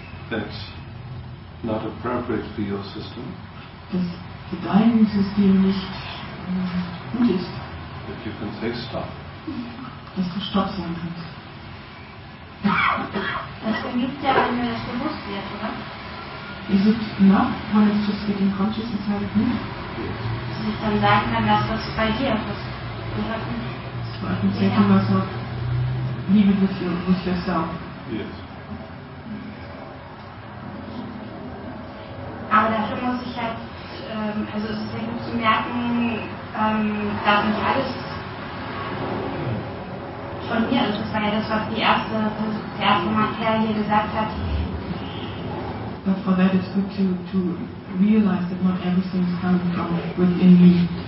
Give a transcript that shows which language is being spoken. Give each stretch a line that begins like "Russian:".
English: That's not appropriate for your system.
German: Das für dein System nicht gut ist.
English: That you can say stop.
German: Dass du Stopp sagen kannst. Das vergibt ja, wenn mir das bewusst wird, oder?
English: Is it enough when it's just getting conscious inside of me? Yes.
German: Dass ich dann sagen kann, dass das bei dir was gehört nicht.
English: So I can say to myself, leave it with yourself. Yes.
German: Aber dafür muss ich halt, also es ist sehr gut zu merken, dass nicht alles von mir ist. Das war ja das, was der erste Mann hier gesagt hat.
English: But for that it's good to realize that not everything is coming from within me.